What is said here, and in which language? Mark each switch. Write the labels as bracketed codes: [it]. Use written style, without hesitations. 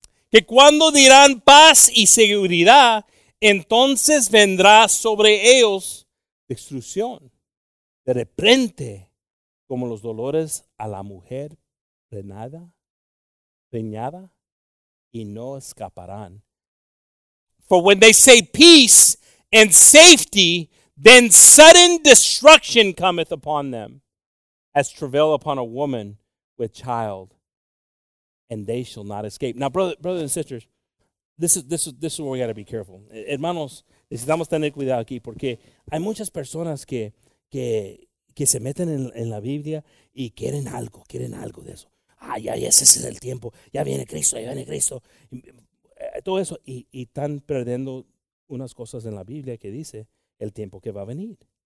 [es] Que cuando dirán paz y seguridad, entonces vendrá sobre ellos destrucción, de repente, como los dolores a la mujer preñada, y no escaparán. [en] For when they say peace and safety, then sudden destruction cometh upon them, as travail upon a woman with child, and they shall not escape. Now, brothers and sisters, this is where we got to be careful. [es] Hermanos, necesitamos tener cuidado aquí porque hay muchas personas que se meten en la Biblia y quieren algo de eso. Ay, ay, ese es el tiempo. Ya viene Cristo. Todo eso. Y están perdiendo unas cosas en la Biblia que dice el tiempo que va a venir.